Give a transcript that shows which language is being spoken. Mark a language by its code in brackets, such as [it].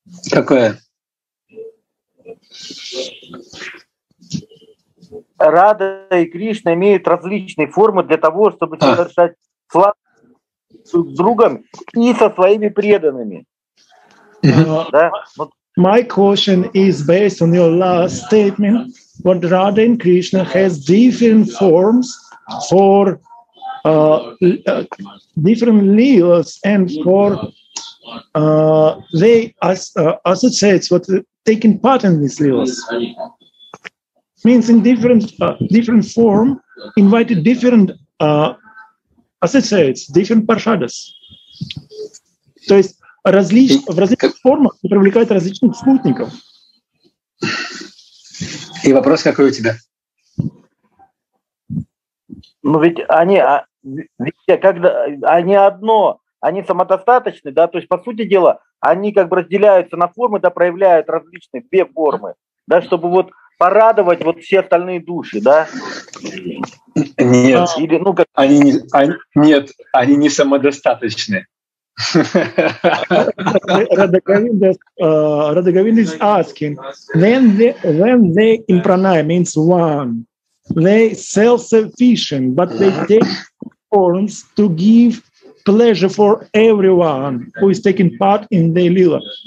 [ru] Какая? Рада и Кришна имеют различные формы для того, чтобы совершать сладость с другом и со своими преданными. Да? [en] My question is based on your last statement. What Radha and Krishna has different forms for different leelas and for they as associates what taking part in these leelas means in different different form invited different associates, different parshadas. [ru] То есть в различных формах привлекают различных спутников. И вопрос какой у тебя? Ну ведь они, когда они одно, они самодостаточны, да, то есть по сути дела они как бы разделяются на формы, да, проявляют различные две формы, да, чтобы вот порадовать вот все остальные души, да? Нет. Или, ну, как... они не, они, нет, они не самодостаточны. [en] Radha Govinda is asking, when they in pranaya means one, they self-sufficient, but they take forms to give pleasure for everyone who is taking part in their lila.